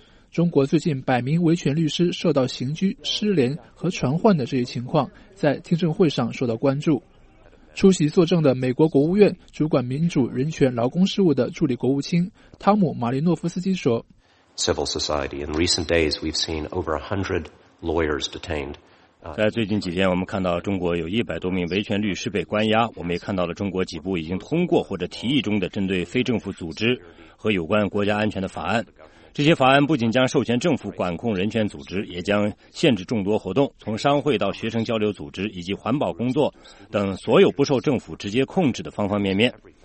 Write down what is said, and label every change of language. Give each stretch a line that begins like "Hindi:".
Chinese: 中国最近百名维权律师受到刑拘、失联和传唤的这一情况在听证会上受到关注。出席作证的美国国务院主管民主、人权、劳工事务的助理国务卿汤姆·马林诺夫斯基说
English: Civil society. In recent days, we've seen over 100 lawyers detained.
Chinese: 在最近几天，我们看到中国有100多名维权律师被关押。我们也看到了中国几部已经通过或者提议中的针对非政府组织和有关国家安全的法案。这些法案不仅将授权政府管控人权组织，也将限制众多活动，从商会到学生交流组织以及环保工作等所有不受政府直接控制的方方面面。